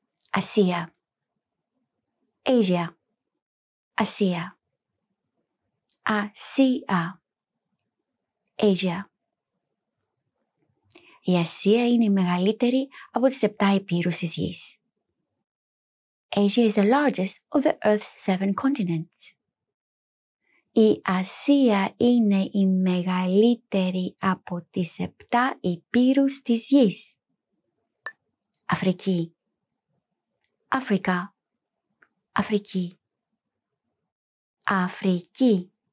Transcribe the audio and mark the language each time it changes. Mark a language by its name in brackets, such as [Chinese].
[Greek] Ασία. Asia. Ασία. Ασία. [English] Asia. [Greek] Η Ασία είναι η μεγαλύτερη από τις 7 ηπείρους της Γης. [English] Asia is the largest of the Earth's 7 continents. [Greek] Η Ασία είναι η μεγαλύτερη από τις 7 ηπείρους της Γης. Αφρική. Αφρικά. Αφρική. Αφρική.